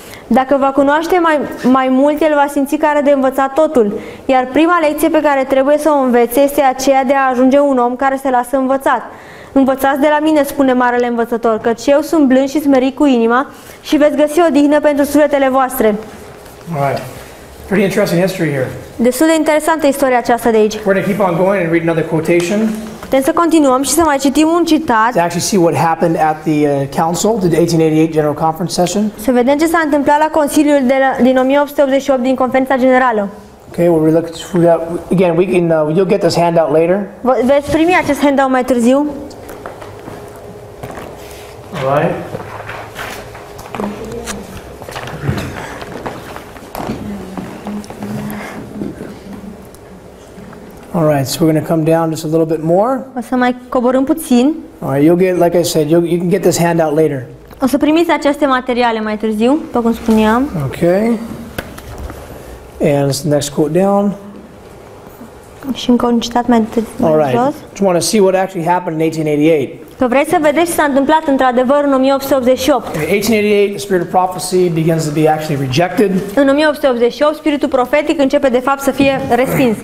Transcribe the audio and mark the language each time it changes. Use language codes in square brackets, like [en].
[ro] Dacă va cunoaște mai mult, el va simți că are de învățat totul, iar prima lecție pe care trebuie să o învețe este aceea de a ajunge un om care se lasă învățat. Învățați de la mine, spune Marele Învățător, căci eu sunt blând și smerit cu inima și veți găsi odihnă pentru sufletele voastre. [en] Pretty interesting history here. [ro] Destul de interesantă istoria aceasta de aici. [en] We're going to keep on going and read another quotation. [ro] Putem să continuăm și să mai citim un citat. [en] To actually see what happened at the council, the 1888 General Conference session. [ro] Să vedem ce s-a întâmplat la Consiliul din 1888 din conferința generală. [en] Okay, we'll look through that again. We can you'll get this handout later. [ro] Veți primi acest handout mai târziu. [en] All right. All right, so we're going to come down just a little bit more. [ro] O să mai coborâm puțin. [en] All right, you'll get, like I said, you can get this handout later. [ro] O să primiți aceste materiale mai târziu, după cum spuneam. [en] Okay. And it's the next quote down. [ro] Și încă un citat mai târziu. [en] All right. Just want to see what actually happened in 1888. [ro] Că vrei să vedeți ce s-a întâmplat într-adevăr în 1888. [en] In 1888, the spirit of prophecy begins to be actually rejected. [ro] În 1888, spiritul profetic începe de fapt să fie respins.